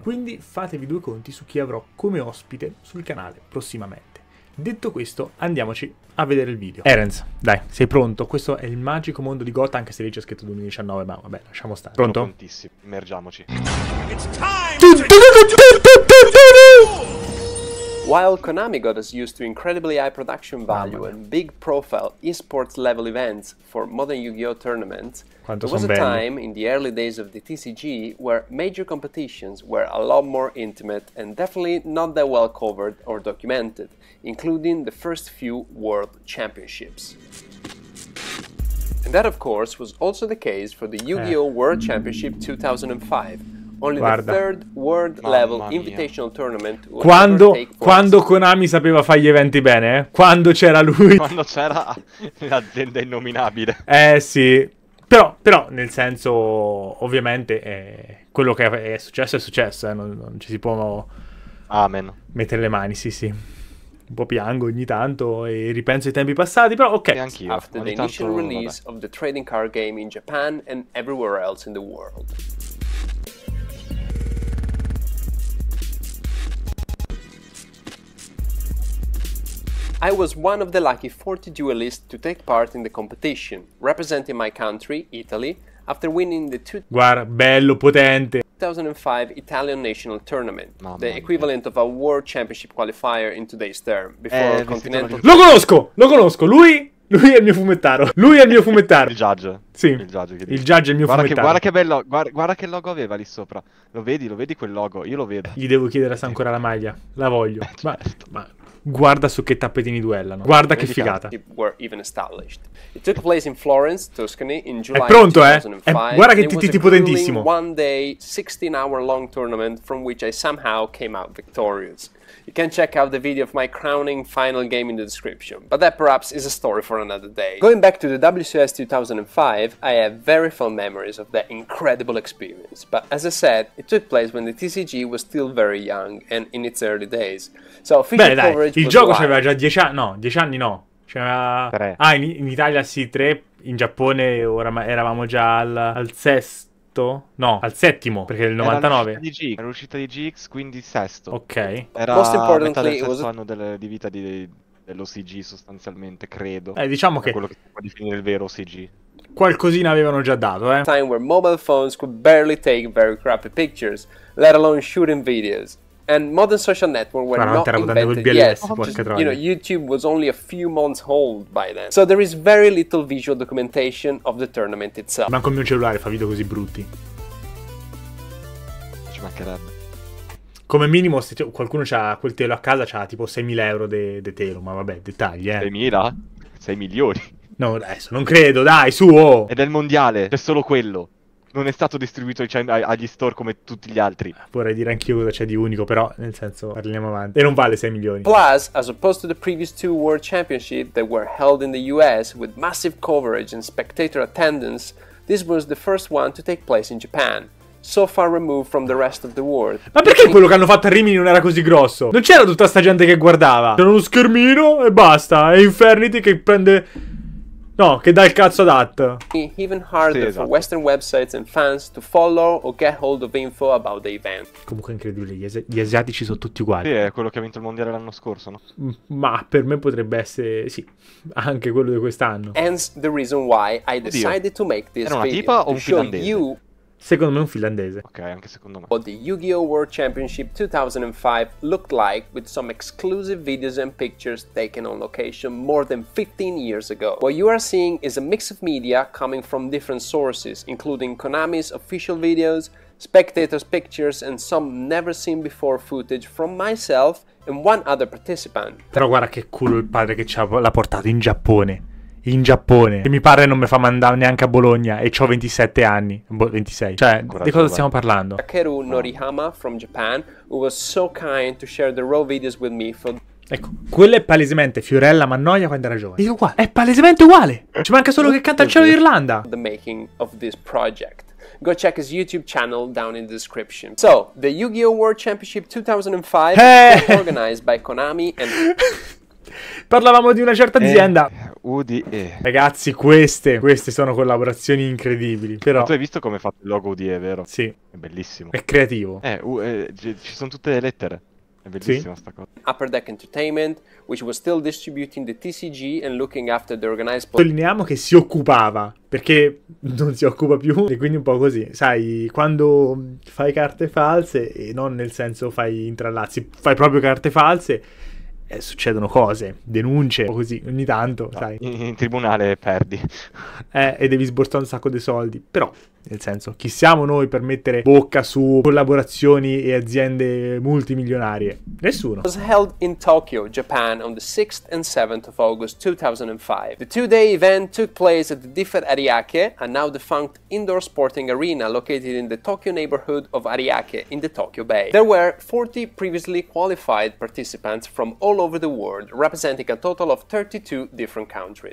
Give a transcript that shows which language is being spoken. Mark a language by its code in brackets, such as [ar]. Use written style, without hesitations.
[it] Quindi fatevi due conti su chi avrò come ospite sul canale prossimamente. Detto questo, andiamoci a vedere il video. Erenz, dai, sei pronto? Questo è il magico mondo di Gotha, anche se lì c'è scritto 2019, ma vabbè, lasciamo stare. Pronto? Sono prontissimo, immergiamoci. [en] It's time to... While Konami got us used to incredibly high production value and big profile esports level events for modern Yu-Gi-Oh! Tournaments, there was a time in the early days of the TCG where major competitions were a lot more intimate and definitely not that well covered or documented, including the first few World Championships. And that, of course, was also the case for the Yu-Gi-Oh! World Championship 2005. Only [it] guarda, [en] the third world level invitational tournament. [it] Quando Konami sapeva fare gli eventi bene, eh? Quando c'era lui. Quando c'era l'azienda innominabile. Eh sì. Però nel senso, ovviamente, quello che è successo è successo, eh? Non ci si può mettere le mani, sì. Un po' piango ogni tanto e ripenso ai tempi passati, però ok. E anch'io. [en] After the initial release of the trading card game in Japan and everywhere else in the world. I was one of the lucky 40 duelists to take part in the competition, representing my country, Italy, after winning the 2005 Italian National Tournament, the equivalent of a World Championship qualifier in today's term, before continental... [it] Lo conosco! Lui è il mio fumettaro! Il judge. Sì. Il judge è il mio fumettaro. Guarda che logo aveva lì sopra. Lo vedi quel logo? Io lo vedo. Gli devo chiedere se ha ancora la maglia. La voglio. Ma... guarda su che tappetini duellano. Guarda che figata. [en] It took place in Florence, Tuscany, in July. [it] È pronto, eh? Guarda che titi potentissimo. [en] One day 16 hour long tournament from which I somehow came out victorious. You can check out the video of my crowning final game in the description. But that perhaps is a story for another day. Going back to the WCS 2005, I have very fond memories of that incredible experience. But as I said, it took place when the TCG was still very young and in its early days. So, [it] beh dai, il gioco c'aveva già 10 anni, no, 10 anni no. C'aveva... 3. Ah, in Italia sì, 3, in Giappone eravamo già al sesto. No, al settimo, perché è il 99. Era l'uscita di GX, quindi sesto. Ok. Era a metà del sesto anno di vita dell'OCG, sostanzialmente, credo. Diciamo che... quello che si può definire il vero OCG. Qualcosina avevano già dato, eh. [en] Time where mobile phones could barely take very crappy pictures, let alone shooting videos. And modern social network were not invented yet. You know, YouTube was only a few months old by then. So there is very little visual documentation of the tournament itself. [it] Manco il mio cellulare fa video così brutti. Ci mancherebbe. Come minimo, se qualcuno c'ha quel telo a casa, c'ha tipo 6.000 euro de telo. Ma vabbè, dettagli, eh. 6.000? 6 milioni. No, adesso, non credo, dai, su, oh! È del mondiale, c'è solo quello. Non è stato distribuito agli store come tutti gli altri. Vorrei dire anch'io cosa c'è di unico, però nel senso, parliamo avanti. E non vale 6 milioni. [en] Plus, as opposed to the previous two World Championships that were held in the US with massive coverage and spectator attendance, this was the first one to take place in Japan, so far removed from the rest of the world. [it] Ma perché quello che hanno fatto a Rimini non era così grosso? Non c'era tutta sta gente che guardava. C'era uno schermino e basta. E Infernity che prende... no, che dà il cazzo adat. [en] Even harder, [it] sì, esatto, [en] for Western websites and fans to follow or get hold of info about the event. [it] Comunque è incredibile, gli asiatici sono tutti uguali. Sì, è quello che ha vinto il mondiale l'anno scorso, no? Ma per me potrebbe essere, sì, anche quello di quest'anno. [en] Hence the reason why I decided to make this [it] video. Era una tipa o un finlandese? Secondo me è un finlandese. Ok, anche secondo me. [en] What the Yu-Gi-Oh! World Championship 2005 looked like with some exclusive videos and pictures taken on location more than 15 years ago. What you are seeing is a mix of media coming from different sources, including Konami's official videos, spectators' pictures and some never seen before footage from myself and one other participant. [it] Però guarda che culo il padre che ci ha, l'ha portato in Giappone. In Giappone. Che mi pare non mi fa mandare neanche a Bologna. E c'ho 27 anni. 26. Cioè, ancora di cosa va. Stiamo parlando? [en] Takeru Norihama from Japan, who was so kind to share the raw videos with me for... [it] Ecco, quello è palesemente Fiorella Mannoia quando era giovane. È uguale. È palesemente uguale. Ci manca solo che canta il cielo d'Irlanda. [en] The making of this project. Go check his YouTube channel down in the description. So, the Yu-Gi-Oh! World Championship 2005 was organized by Konami and... [it] Parlavamo di una certa azienda. UDE. Ragazzi, queste sono collaborazioni incredibili. Però... Tu hai visto come è fatto il logo UDE, vero? Sì. È bellissimo. È creativo. Ci sono tutte le lettere. È bellissima sta cosa. [en] Upper Deck Entertainment, which was still distributing the TCG and looking after the organized... [it] Sottolineiamo che si occupava, perché non si occupa più. E quindi un po' così. Sai, quando fai carte false, e non nel senso fai intrallazzi, fai proprio carte false... succedono cose, denunce, o così, ogni tanto, no, sai. In tribunale perdi. E devi sborsare un sacco di soldi. Però, nel senso, chi siamo noi per mettere bocca su collaborazioni e aziende multimilionarie? Nessuno. [en] Was held in Tokyo, Japan, on the 6th and 7th of August 2005. The two-day event took place at the Differ Ariake, a now-defunct indoor sporting arena located in the Tokyo neighborhood of Ariake, in the Tokyo Bay. There were 40 previously qualified participants from all over the world, representing a total of 32 different countries.